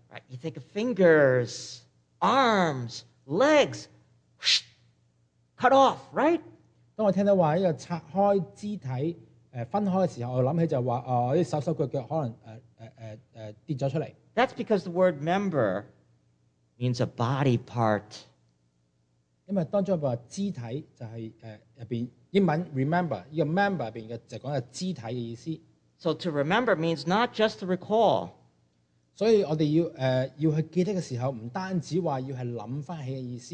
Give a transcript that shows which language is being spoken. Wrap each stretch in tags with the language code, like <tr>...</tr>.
<en>Right, you think of fingers, arms, legs, cut off, right?</en> <zh>當我聽到拆開肢體,分開的時候,我想起手腳腳可能跌了出來。</zh> <en>That's because the word member means a body part.</en> <zh>因為當中有一個肢體,就是英文 remember, 這個member裡面就是說肢體的意思。</zh> <en>So to remember means not just to recall.</en> <zh>所以我們要去記憶的時候,不單止說要去想起的意思。</zh>